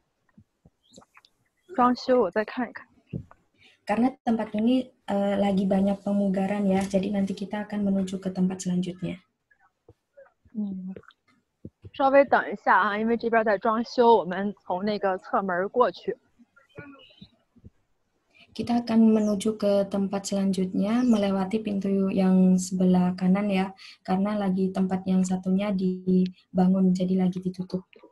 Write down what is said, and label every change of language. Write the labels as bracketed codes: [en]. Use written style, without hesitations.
[zh] 刚才呢，经过一个门呢，叫做圣石门。那它呢，来自这个，不是，这边的哈。后面我们再往后走哈，因为这边在装修，我再看一看哈。装修，我再看一看。 [id] Karena tempat ini lagi banyak pemugaran ya, jadi nanti kita akan menuju ke tempat selanjutnya. [zh] 稍微等一下啊，因为这边在装修，我们从那个侧门过去。 [id] Kita akan menuju ke tempat selanjutnya melewati pintu yang sebelah kanan ya, karena lagi tempat yang satunya dibangun jadi lagi ditutup.